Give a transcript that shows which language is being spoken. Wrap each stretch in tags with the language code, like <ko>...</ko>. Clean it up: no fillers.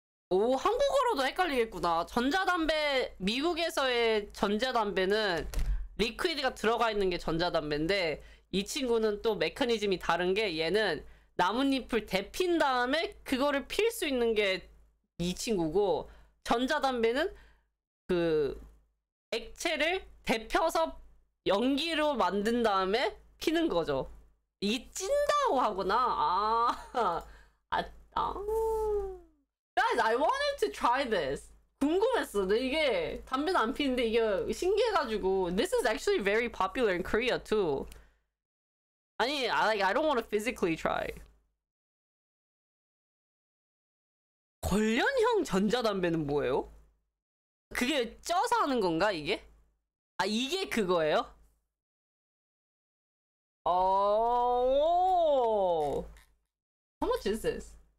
<ko>오, 한국어로도 헷갈리겠구나. 전자담배, 미국에서의 전자담배는 리퀴드가 들어가 있는 게 전자담배인데, 이 친구는 또 메커니즘이 다른 게, 얘는 나뭇잎을 데핀 다음에 그거를 필 수 있는 게 이 친구고, 전자담배는 그 액체를 데펴서 연기로 만든 다음에 피는 거죠. 이게 찐다고 하구나.</ko> <en>아. Guys, I wanted to try this.</en> <ko>궁금했어. 근데 이게 담배는 안 피는데 이게 신기해가지고.</ko> <en>This is actually very popular in Korea too. 아니, like, I don't want to physically try.</en> <ko>관련형 전자담배는 뭐예요? 그게 쪄서 하는 건가 이게? 아 이게 그거예요?</ko> <en>어... How much is this?</en>